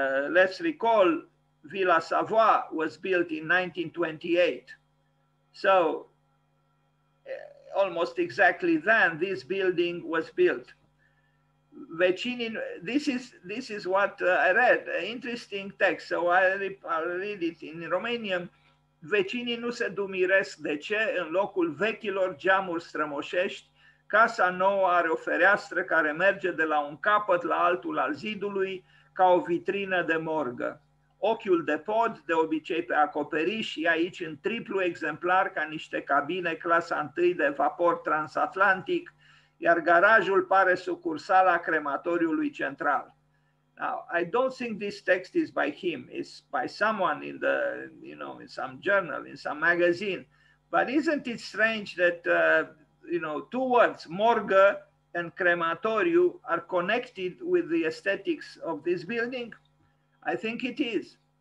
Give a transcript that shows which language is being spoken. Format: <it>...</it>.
<en>Let's recall, Villa Savoie was built in 1928. So, almost exactly then, this building was built. This is what I read, an interesting text, so I'll read it in Romanian.</en> <ro>Vecinii nu se dumiresc de ce în locul vechilor geamuri strămoșești, casa nouă are o fereastră care merge de la un capăt la altul al zidului ca o vitrină de morgă. Ochiul de pod, de obicei pe acoperiș, e aici în triplu exemplar ca niște cabine clasa întâi de vapor transatlantic, iar garajul pare sucursala crematoriului central.</ro> <en>Now, I don't think this text is by him. It's by someone in the, in some journal, in some magazine. But isn't it strange that, two words, morgue and crematorio, are connected with the aesthetics of this building? I think it is.</en>